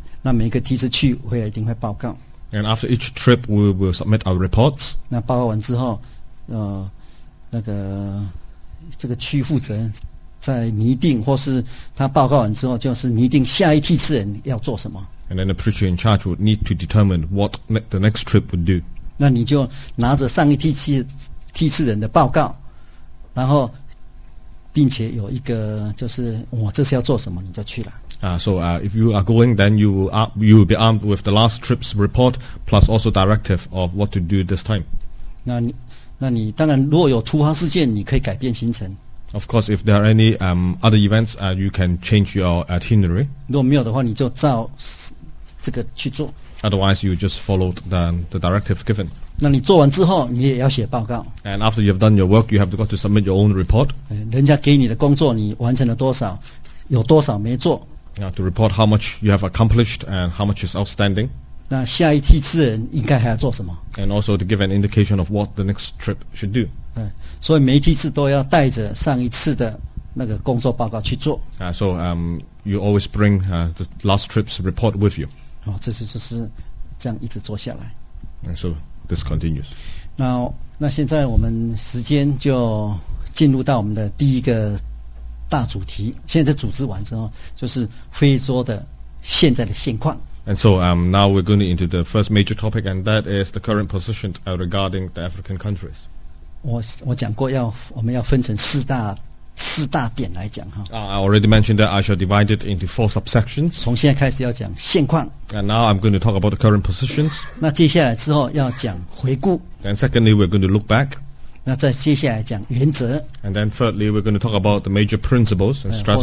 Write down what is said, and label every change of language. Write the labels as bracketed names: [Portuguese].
[Chinese] 那每一个梯次去会一定会报告。 [English] And after each trip, we will submit our reports. [Chinese] 那报告完之后，那个。这个区负责在拟定，或是他报告完之后，就是拟定下一梯次人要做什么。 [English] And then the preacher in charge would need to determine what the next trip would do. [Chinese] 那你就拿着上一梯次人的报告，然后并且有一个就是我这是要做什么，你就去了。 [English] If you are going, then you will be armed with the last trip's report plus also directive of what to do this time. [Chinese] 那你当然，如果有突发事件，你可以改变行程。 [English] Of course, if there are any other events, you can change your itinerary. [Chinese] 如果没有的话，你就照这个去做。 [English] Otherwise, you just followed the directive given. [Chinese] 那你做完之后，你也要写报告。 [English] And after you have done your work, you have got to submit your own report. [Chinese] 人家给你的工作，你完成了多少？有多少没做？ [English] To report how much you have accomplished and how much is outstanding. [Chinese] 那下一梯次人应该还要做什么 [English] ？And also to give an indication of what the next trip should do. [Chinese] 所以每一梯次都要带着上一次的那个工作报告去做。 [English] You always bring the last trip's report with you. [Chinese] 这就是这样一直做下来。 [English] And so this continues. [Chinese] 那现在我们时间就进入到我们的第一个大主题。现在组织完之后, 就是非洲的现在的现况。 [English] And so now we're going into the first major topic, and that is the current position regarding the African countries. [Chinese] 我讲过要我们要分成四大点来讲哈。 [English] I already mentioned that I shall divide it into four subsections. [Chinese] 从现在开始要讲现况。 [English] And now I'm going to talk about the current positions. [Chinese] 那接下来之后要讲回顾。 [English] And secondly, we're going to look back. [Chinese] 那再接下来讲原则。 [English] And then thirdly, we're going to talk about the major principles and strategies.